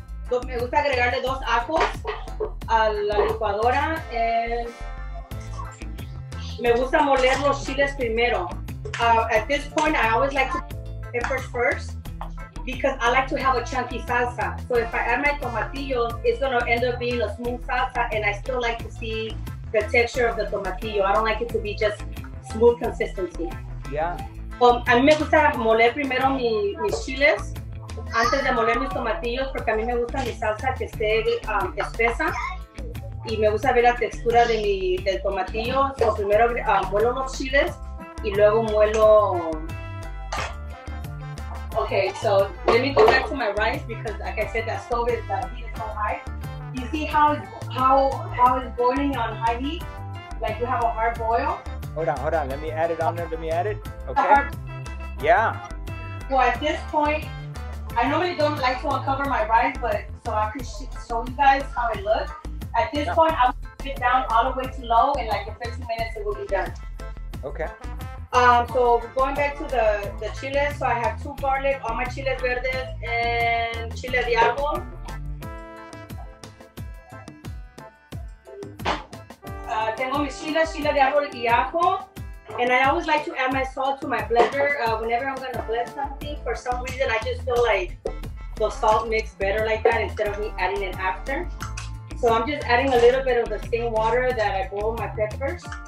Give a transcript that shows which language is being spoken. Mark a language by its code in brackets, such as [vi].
[es] Me gusta agregarle dos ajos a la licuadora. Me gusta moler los chiles primero. [en] At this point, I always like to put peppers first because I like to have a chunky salsa. So if I add my tomatillos, it's gonna end up being a smooth salsa, and I still like to see the texture of the tomatillo. I don't like it to be just smooth consistency. Yeah. [es] A mí me gusta moler primero mis chiles antes de moler mis tomatillos porque a mí me gusta mi salsa que esté espesa. Y me gusta ver la textura de del tomatillo. So primero muelo los chiles y luego muelo. [en] Okay, so let me go back to my rice because, like I said, that stove is heat is so high. You see how it's boiling on high heat? Like you have a hard boil. Hold on. Let me add it on there. Okay. Yeah. Well, at this point, I normally don't like to uncover my rice, but so I can show you guys how it looks. At this point, I'm going to put it down all the way to low, and like in 15 minutes, it will be done. Okay. So going back to the chiles, so I have two garlic, all my chiles verdes, and chile de árbol. [es] Tengo mis chiles, chile de árbol y ajo. [en] And I always like to add my salt to my blender. Whenever I'm going to blend something, for some reason, I just feel like the salt mix better like that instead of me adding it after. So I'm just adding a little bit of the same water that I boiled my peppers.